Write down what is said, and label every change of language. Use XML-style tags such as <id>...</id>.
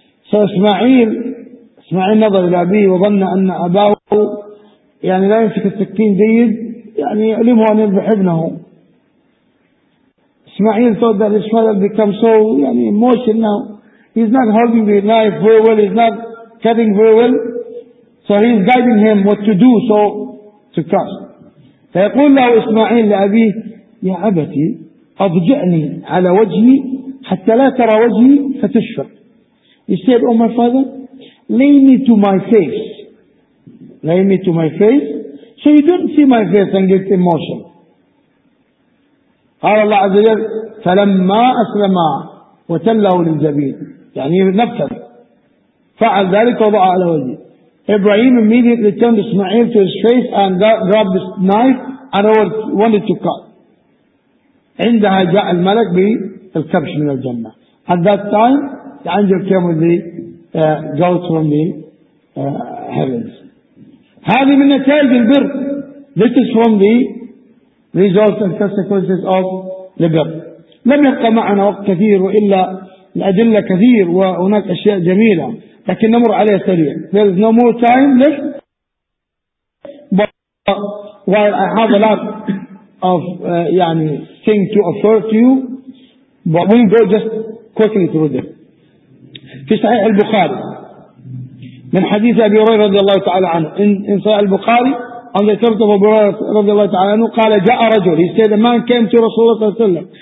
<en>So Ismail</en> <ar>نظر إلى أبيه وظن أن أباه يعني لا يمسك السكين جيد يعني يعلمه أن يذبح ابنه.</ar> <en>Ismail thought that his father became so يعني emotional now. He's not holding the knife very well, he's not cutting very well. So he's guiding him what to do so to cut.</en> <ar>فيقول له إسماعيل لأبيه يا أبتي أضجعني على وجهي حتى لا ترى وجهي فتشفق.</ar> <en>He said, oh my father, lay me to my face. Lay me to my face. So you don't see my face and get emotional.</en> <ar>قال الله عز وجل فلما أسلما وتله للجبين. يعني نفسه. فعل ذلك وضع على وجهه.</ar> <en>Ibrahim immediately turned Ismail to his face and grabbed his knife and wanted to cut.</en> <ar>عندها جاء الملك بالكبش من الجنة.</ar> <en>At that time, the angel came with the goat from the heavens.</en> <ar>هذه من نتائج البر.</ar> <en>This is from the results and consequences of the birth.</en> <ar>لم يبقى معنا وقت كثير وإلا الأدلة كثير وهناك أشياء جميلة. لكن نمر عليه سريع.</ar> <en>There is no more time left. But while I have a lot of يعني thing to offer to you, but we'll go just quickly through this.</en> <ar>في صحيح البخاري من حديث أبي هريرة رضي الله تعالى عنه. In صحيح البخاري عن ذكرت أبو هريرة رضي الله تعالى عنه قال جاء رجل.</ar> <en>He said a man came to رسول الله صلى الله عليه وسلم.</en>